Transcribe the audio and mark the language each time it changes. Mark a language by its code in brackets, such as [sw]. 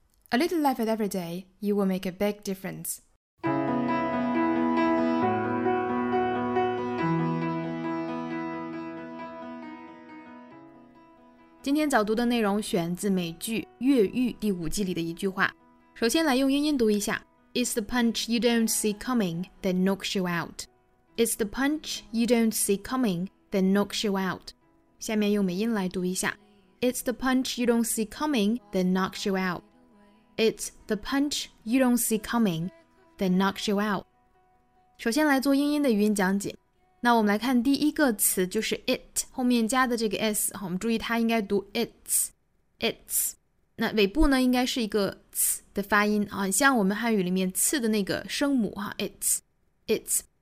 [en] A little life at every day, you will make a big difference. [zh] 今天早读的内容选自美剧《越狱》第五季里的一句话。首先来用英音读一下 [en] It's the punch you don't see coming that knocks you out. It's the punch you don't see coming that knocks you out. [zh] 下面用美音来读一下 [en] It's the punch you don't see coming that knocks you out. It's the punch you don't see coming that knocks you out. [zh] 首先来做英音的语音讲解。那我们来看第一个词就是 it, 后面加的这个 s, 我们注意它应该读 it's, it's. 那尾部呢应该是一个 ts 的发音很像我们汉语里面刺的那个声母 it's, it's.